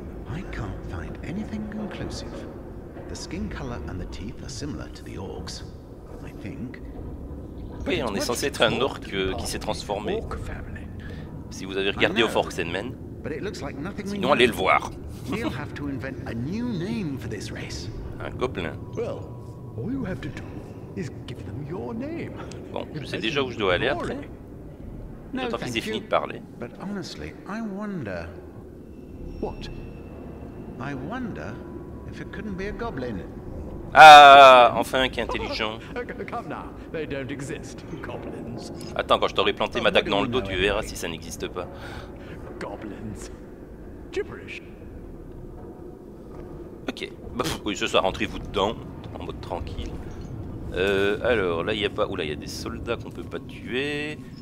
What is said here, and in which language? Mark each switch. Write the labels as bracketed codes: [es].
[en] I can't find anything conclusive. The skin color and the teeth are similar to the orcs, I think. [fr] Oui, on est censé être un orc qui s'est transformé. Si vous avez regardé au Forksen Men. Sinon, allez le voir. [en] We'll have to invent a new name for this race. [fr] Un gobelin. [en] Well, all you have to do is give them your name. [fr] Bon, je sais déjà où je dois aller après. J'attends qu'ils aient fini de parler. [en] But honestly, I wonder what. I wonder if it couldn't be a goblin. [fr] Ah, enfin, qui est intelligent. [en] Come now. They don't exist, goblins. [fr] Attends, quand je t'aurai planté ma dague dans le dos, tu verras si ça n'existe pas. [en] Goblins. Gibberish. [fr] Ok. Bah, oui, ce soir, rentrez-vous dedans, en mode tranquille. Alors, là, il y a pas. Oula, il y a des soldats qu'on peut pas tuer.